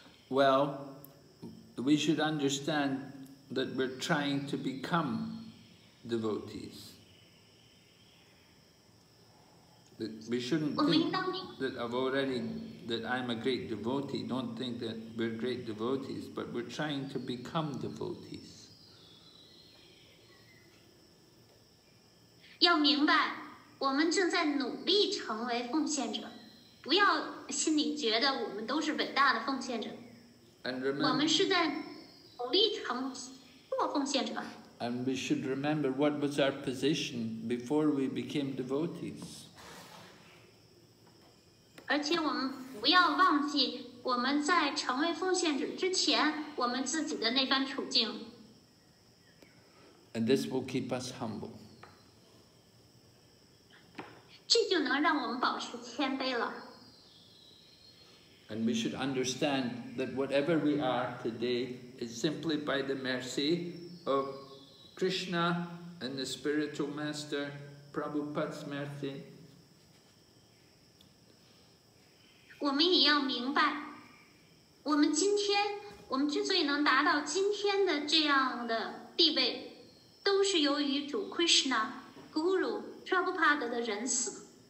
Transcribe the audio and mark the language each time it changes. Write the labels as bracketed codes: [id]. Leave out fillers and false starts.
[en] Well, we should understand that we're trying to become devotees. That we shouldn't think that I've already, that I'm a great devotee. Don't think that we're great devotees, but we're trying to become devotees. [zh] 要明白，我们正在努力成为奉献者，不要心里觉得我们都是伟大的奉献者。 [en] And remember, [zh] 我们是在努力成做奉献者。 [en] And we should remember what was our position before we became devotees. [zh] 而且我们不要忘记我们在成为奉献者之前我们自己的那番处境。 [en] And this will keep us humble. [zh] 这就能让我们保持谦卑了。 [en] And we should understand that whatever we are today is simply by the mercy of Krishna and the spiritual master Prabhupada's mercy. [zh] 我们也要明白，我们今天，我们之所以能达到今天的这样的地位，都是由于主 Krishna、Guru、Prabhupada 的仁慈。